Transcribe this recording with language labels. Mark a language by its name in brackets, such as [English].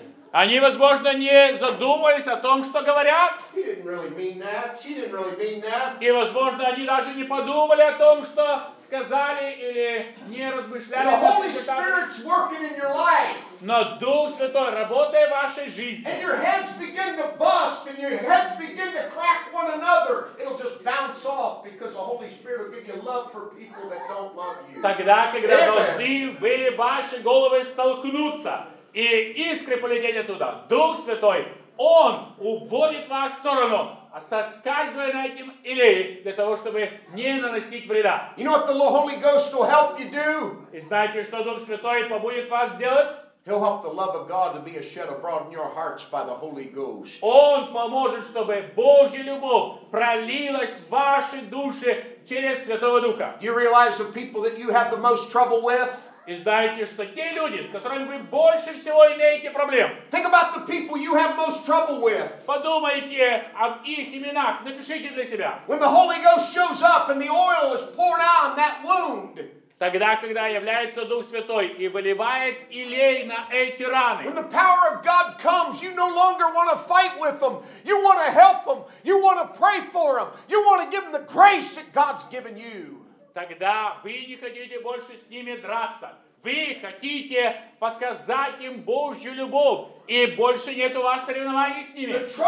[Russian] Они, возможно, не задумывались о том, что говорят. И, возможно, они даже не подумали о том, что сказали или не размышляли. [English] The Holy Spirit's working in your life. [Russian] Но Дух Святой, работая в вашей жизни. [English] And your heads begin to bust, and your heads begin to crack one another. It'll just bounce off because the Holy Spirit will give you love for people that don't love you. [Russian] Тогда, когда должны вы ваши головы столкнуться и искры полететь оттуда, Дух Святой, Он уводит вас в сторону. Соскальзывая на этим или для того, чтобы не наносить вреда. [English] You know what the Holy Ghost will help you do? [Russian] И знаете, что Дух Святой побудет вас делать? [English] He'll help the love of God to be shed abroad in your hearts by the Holy Ghost. [Russian] Он поможет, чтобы Божья любовь пролилась в ваши души через Святого Духа. [English] Do you realize the people that you have the most trouble with? [Russian] И знаете, что те люди, с которыми вы больше всего имеете проблем, [English] think about the people you have most trouble with. [Russian] Подумайте об их именах, напишите для себя. [English] When the Holy Ghost shows up and the oil is poured on that wound. [Russian] Тогда, когда является Дух Святой и выливает елей на эти раны. [English] When the power of God comes, you no longer want to fight with them. You want to help them. You want to pray for them. You want to give them the grace that God's given you. [Russian] Тогда вы не хотите больше с ними драться. Вы хотите показать им Божью любовь. И больше нет у вас соревнований с ними.